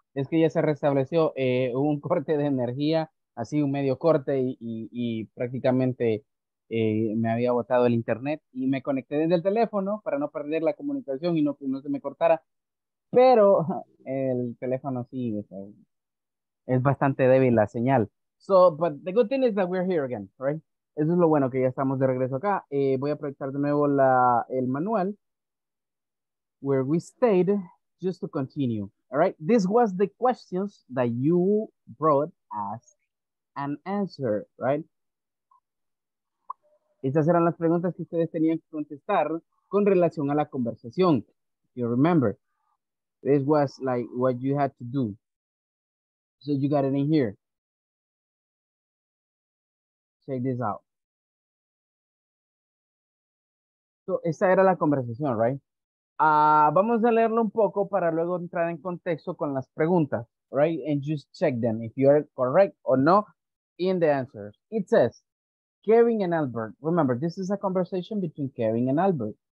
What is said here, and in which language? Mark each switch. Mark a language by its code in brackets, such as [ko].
[es] Es que ya se restableció un corte de energía, así un medio corte y prácticamente me había botado el internet y me conecté desde el teléfono para no perder la comunicación y no se me cortara. Pero el teléfono sí, es bastante débil la señal. [en] So, but the good thing is that we're here again, right? [es] Eso es lo bueno, que ya estamos de regreso acá. Voy a proyectar de nuevo el manual [en] where we stayed just to continue, all right? This was the questions that you brought as an answer, right? [es] Estas eran las preguntas que ustedes tenían que contestar con relación a la conversación. [en] If you remember, this was like what you had to do. So you got it in here. check this out. [es] So, esta era la conversación, right? Vamos a leerlo un poco para luego entrar en contexto con las preguntas, right? [en] And just check them if you are correct or no in the answers. It says, Kevin and Albert. Remember, this is a conversation between Kevin and Albert.